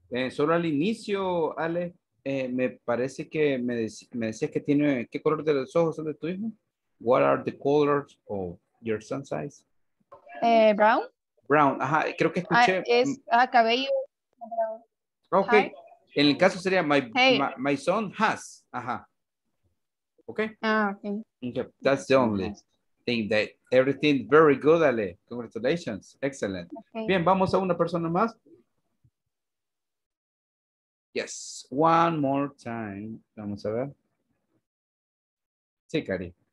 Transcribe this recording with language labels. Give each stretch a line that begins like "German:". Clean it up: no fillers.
Spanish: Solo al inicio, Ale, me parece que me decías que tiene, ¿qué color de los ojos son de tu hijo?
English: What are the colors of your son's eyes? Brown.
Spanish: Brown, ajá, creo que escuché. Es cabello.
English: Okay, hi.
Spanish: En el caso sería
English: my son has,
Spanish: ajá.
English: Okay. Okay. That's the only thing that everything very good, Ale. Congratulations. Excellent. Okay.
Spanish: Bien, vamos a una persona más.
English: Yes. One more time.
Spanish: Vamos a ver. Sí,
English: Cari.